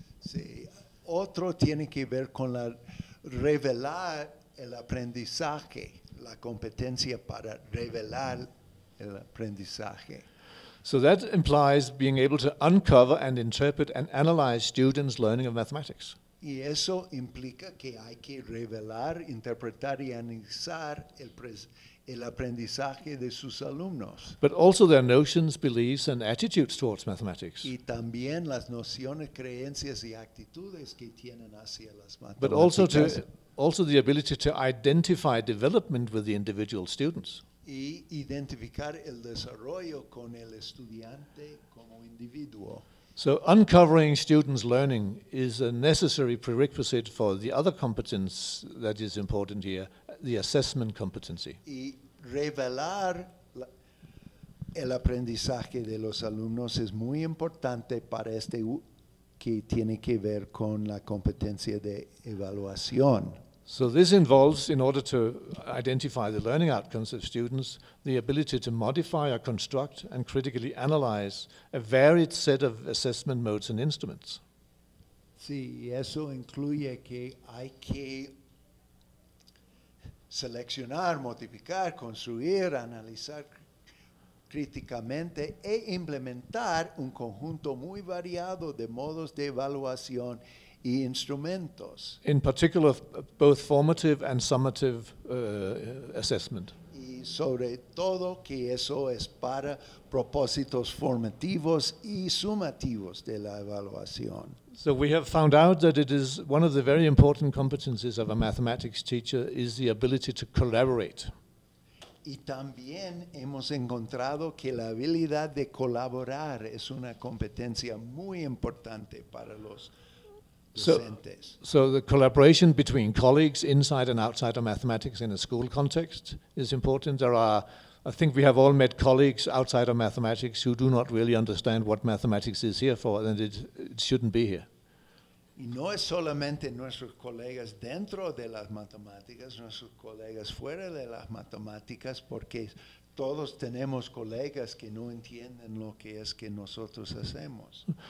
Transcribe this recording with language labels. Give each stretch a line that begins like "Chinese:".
Spanish: Sí. Otro tiene que ver con la revelar el aprendizaje, la competencia para revelar el aprendizaje.
English: So that implies being able to uncover and interpret and analyze students' learning of mathematics.
Spanish: Y eso implica que hay que revelar, interpretar y analizar el aprendizaje de sus alumnos.
English: But also their notions, beliefs, and attitudes towards mathematics.
Spanish: Y también las nociones, creencias y actitudes que tienen hacia las matemáticas.
English: But also the ability to identify development with the individual students.
Spanish: Y identificar el desarrollo con el estudiante como individuo.
English: So uncovering students' learning is a necessary prerequisite for the other competence that is important here, the assessment competency.
Spanish: Y revelar el aprendizaje de los alumnos es muy importante para este que tiene que ver con la competencia de evaluación.
English: So this involves, in order to identify the learning outcomes of students, the ability to modify or construct and critically analyze a varied set of assessment modes and instruments.
Spanish: Sí, eso incluye que hay que seleccionar, modificar, construir, analizar críticamente e implementar un conjunto muy variado de modos de evaluación y instrumentos.
English: In particular, both formative and summative assessment.
Spanish: Y sobre todo que eso es para propósitos formativos y sumativos de la evaluación.
English: So we have found out that it is one of the very important competencies of a mathematics teacher is the ability to collaborate.
Spanish: Y también hemos encontrado que la habilidad de colaborar es una competencia muy importante para los docentes.
English: So the collaboration between colleagues inside and outside of mathematics in a school context is important. I think we have all met colleagues outside of mathematics who do not really understand what mathematics is here for, and it shouldn't be here.
Spanish: Y no es solamente nuestros colegas dentro de las matemáticas, nuestros colegas fuera de las matemáticas, porque todos tenemos colegas que no entienden lo que es que nosotros hacemos.